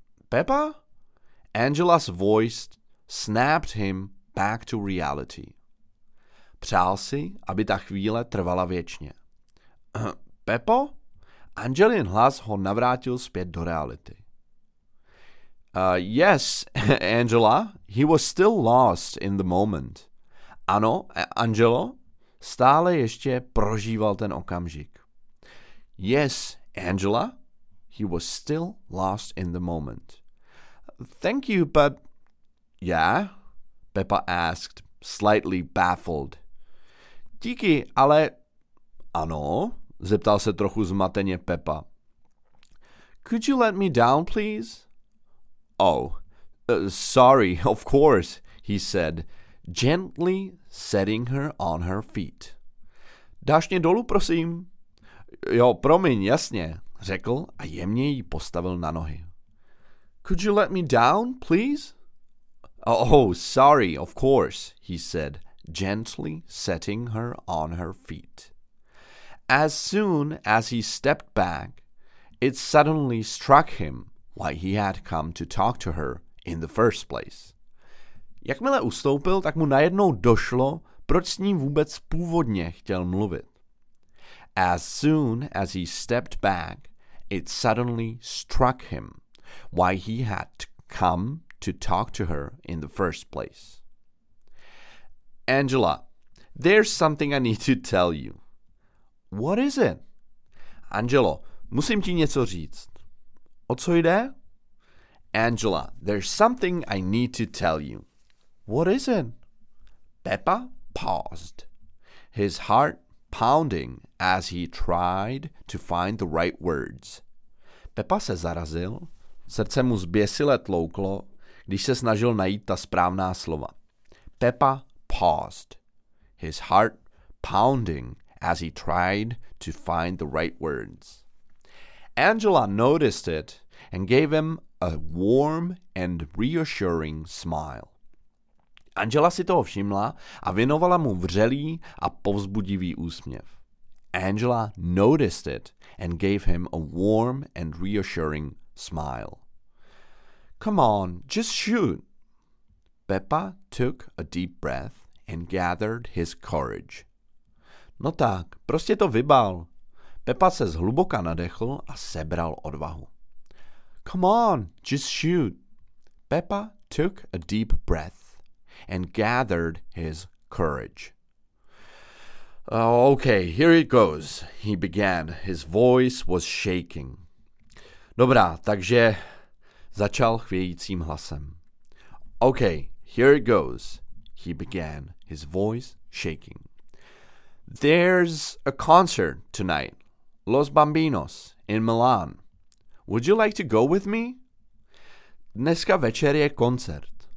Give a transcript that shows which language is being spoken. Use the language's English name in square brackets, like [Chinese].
[Czech] Pepa? [English] Angela's voice snapped him back to reality. [Czech] Přál si, aby ta chvíle trvala věčně. Pepo? Angelin hlas ho navrátil zpět do reality. [English] Yes, Angela. He was still lost in the moment. [Czech] Ano, Angelo? Stále ještě prožíval ten okamžik. [English] Yes, Angela, he was still lost in the moment. thank you, but... Yeah? Pepa asked, slightly baffled. [Czech] Díky, ale... Ano? Zeptal se trochu zmateně Pepa. [English] Could you let me down, please? Oh, sorry, of course, he said, gently setting her on her feet. [Czech] Dáš mě dolů, prosím? Jo, promiň, jasně, řekl a jemně ji postavil na nohy. [English] Could you let me down, please? Oh, sorry, of course, he said, gently setting her on her feet. As soon as he stepped back, it suddenly struck him why he had come to talk to her in the first place. [Czech] Jakmile ustoupil, tak mu najednou došlo, proč s ním vůbec původně chtěl mluvit. [English] As soon as he stepped back, it suddenly struck him why he had come to talk to her in the first place. Angela, there's something I need to tell you. What is it? [Czech] Angelo, musím ti něco říct. O co jde? [English] Angela, there's something I need to tell you. What is it? Pepa paused, his heart pounding as he tried to find the right words. [Czech] Pepa se zarazil, srdce mu zběsile tlouklo, když se snažil najít ta správná slova. [English] Pepa paused, his heart pounding as he tried to find the right words. Angela noticed it and gave him a warm and reassuring smile. [Czech] Angela si toho všimla a věnovala mu vřelý a povzbudivý úsměv. [English] Angela noticed it and gave him a warm and reassuring smile. Come on, just shoot. Pepa took a deep breath and gathered his courage. [Czech] No tak, prostě to vybal. Pepa se zhluboka nadechl a sebral odvahu. [English] Come on, just shoot. Pepa took a deep breath and gathered his courage. Okay, here it goes, he began. His voice was shaking. [Czech] Dobrá, takže začal chvějícím hlasem. [English] Okay, here it goes, he began, his voice shaking. There's a concert tonight, Los Bambinos, in Milan. Would you like to go with me? [Czech] Dneska večer je koncert.